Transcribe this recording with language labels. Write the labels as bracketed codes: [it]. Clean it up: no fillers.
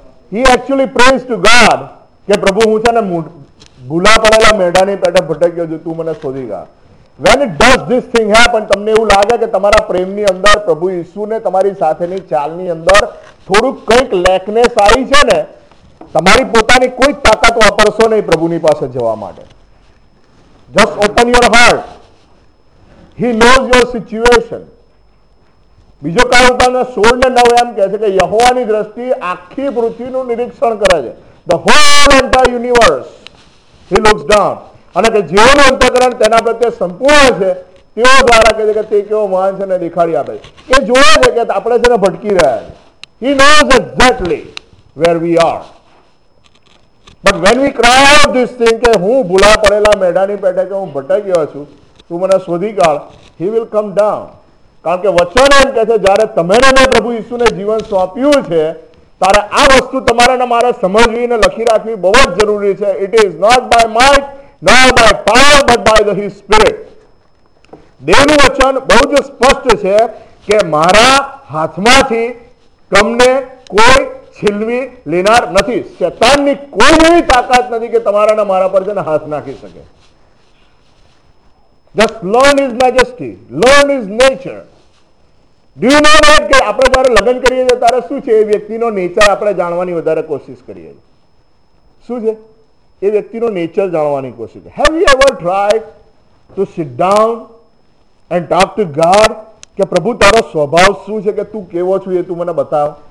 [en] He actually prays to God [gu] કે પ્રભુ હું છે ને ભૂલા પડેલા મેઢાની પેટે ભટક્યો છું, તું મને શોધી કા. [en] When it does this thing happen, [gu] તમને એવું લાગે કે તમારા પ્રેમની અંદર પ્રભુ ઈસુને તમારી સાથેની ચાલની અંદર થોડુંક કંઈક લેકનેસ આવી છે ને, તમારી પોતાની કોઈ તાકાત વાપરશો નહીં પ્રભુની પાસે જવા માટે. [en] Just open your heart. He knows your situation. [gu] બીજો કારણ 16:9 એમ કહે છે કે યહોવાની દ્રષ્ટિ આખી પૃથ્વીનું નિરીક્ષણ કરે છે, [en] the whole entire universe he looks down, [gu] અને કે જીવનું અંતકરણ તેના પ્રત્યે સંપૂર્ણ છે, તેઓ દ્વારા કહે છે કે તે કેવો મહાન છે ને દેખાડી આપે છે, એ જોવે છે કે આપણે છે ને ભટકી રહ્યા છે. [en] he knows exactly where we are, but when we cry out this thing [gu] કે હું ભૂલા પડેલા મેઢાની પેટે કે હું ભટક્યો છું, તું મને શોધી કાઢ, [en] He will come down. [gu] કારણ કે વચન એમ કહે છે જયારે તમે મેં પ્રભુ ઈસુને જીવન સોંપ્યું છે ત્યારે આ વસ્તુ તમારે ને મારે સમજવી ને લખી રાખવી બહુ જ જરૂરી છે. [en] It is not by might not by power but by the he spirit. [gu] દેવનું વચન બહુ જ સ્પષ્ટ છે કે મારા હાથમાંથી તમને કોઈ છીનવી લેનાર નથી. શેતાનની કોઈ એવી તાકાત નથી કે તમારા ને મારા પર છે ને હાથ નાખી શકે. [en] Just learn his majesty, learn his nature. Do you know that [gu] કે આપણે જ્યારે લગ્ન કરીએ છીએ ત્યારે શું છે એ વ્યક્તિનો નેચર આપણે જાણવાની વધારે કોશિશ કરીએ છીએ. શું છે એ વ્યક્તિનો નેચર જાણવાની કોશિશ. [en] Have you ever tried to sit down and talk to God [gu] કે પ્રભુ તારો સ્વભાવ શું છે, કે તું કેવો છું એ તું મને બતાવ.